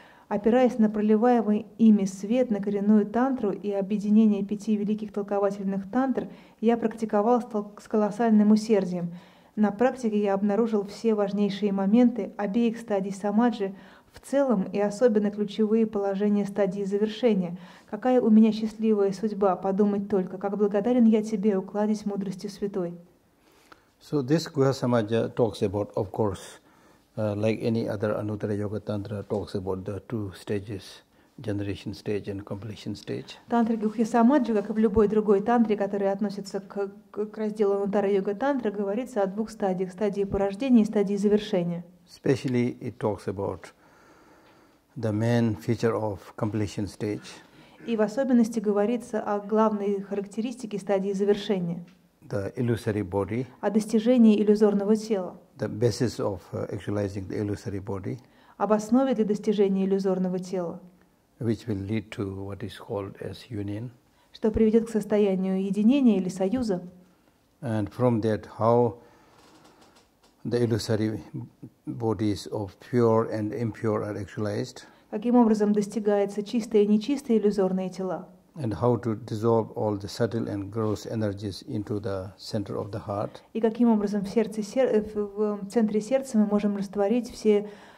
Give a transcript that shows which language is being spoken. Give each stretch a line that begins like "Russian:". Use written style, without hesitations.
Russian: Опираясь на проливаемый ими свет, на коренную тантру и объединение пяти великих толковательных тантр, я практиковал с колоссальным усердием. На практике я обнаружил все важнейшие моменты обеих стадий Самаджи, в целом и особенно ключевые положения стадии завершения. Какая у меня счастливая судьба, подумать только, как благодарен я тебе, укладись мудростью святой.
English: So this Guha Samaja talks about, of course, like any other Anuttara Yoga Tantra, talks about the two stages, generation stage and completion stage.
Russian: Тантра Гухи Самаджи, как и в любой другой тантре, которая относится к разделу Анутара Йога Тантра, говорится о двух стадиях, стадии порождения и стадии завершения.
English: Especially it talks about the main feature of completion stage.
Russian: И в особенности говорится о главной характеристике стадии завершения.
English: The illusory body.
Russian: О достижении иллюзорного тела.
English: The basis of actualizing the illusory body.
Russian: Об основе для достижения иллюзорного тела.
English: Which will lead to what is called as union.
Russian: Что приведет к состоянию единения или союза.
English: And from that, how the illusory bodies of pure and impure are actualized.
Russian: Каким образом достигается чистое и нечистое иллюзорные тела?
English: And how to dissolve all the subtle and gross energies into the center of the heart?
Russian: И каким образом в центре сердца мы можем растворить все